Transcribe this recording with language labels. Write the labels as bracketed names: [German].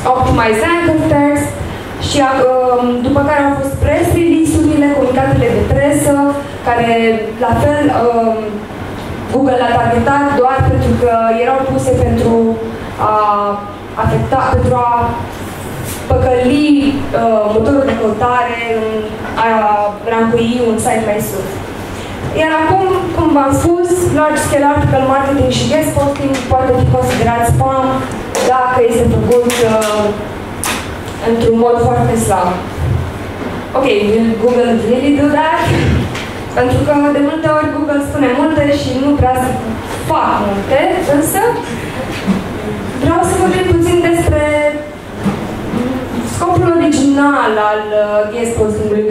[Romanian] Optimize anchor text și după care au fost press release-urile, comunicatele de presă, care, la fel, Google l-a targetat doar pentru că erau puse pentru a afecta, pentru a păcăli motorul de căutare, a rancui un site mai sus. Iar acum, cum v-am spus, large scale article marketing și guest posting poate fi considerat spam dacă este făcut într-un mod foarte slab. [English] Ok, Google really do that? [Romanian] Pentru că de multe ori Google spune multe și nu prea să fac multe, însă vreau să vorbim puțin despre scopul original al guest posting-ului.